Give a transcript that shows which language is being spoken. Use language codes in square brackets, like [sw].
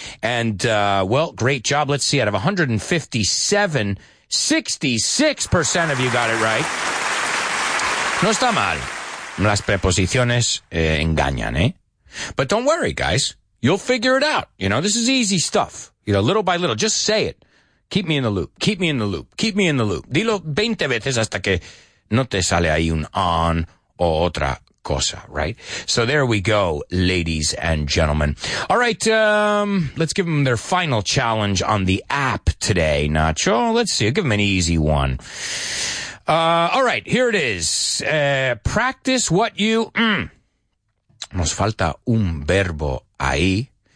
[en] And, well, great job. Let's see, out of 157, 66% of you got it right. [es] No está mal. Las preposiciones engañan, eh? [en] But don't worry, guys. You'll figure it out. You know, this is easy stuff. You know, little by little, just say it. Keep me in the loop. Keep me in the loop. Keep me in the loop. [es] Dilo 20 veces hasta que no te sale ahí un on o otra cosa, right? [en] So there we go, ladies and gentlemen. All right, let's give them their final challenge on the app today, Nacho. Let's see, I'll give them an easy one. All right, here it is. Practice what you... [es] Nos falta un verbo ahí.